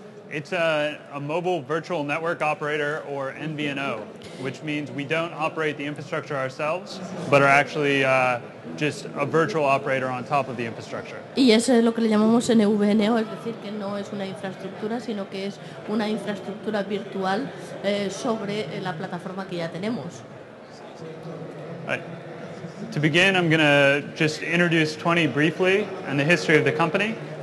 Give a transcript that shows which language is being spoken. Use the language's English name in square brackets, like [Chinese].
[English] It's a mobile virtual network operator, or MVNO, which means we don't operate the infrastructure ourselves, but are actually just a virtual operator on top of the infrastructure. [Spanish] Y eso es lo que le llamamos NVNO, es decir, que no es una infraestructura, sino que es una infraestructura virtual sobre la plataforma que ya tenemos. [English] To begin, I'm going to just introduce 20 briefly and the history of the company.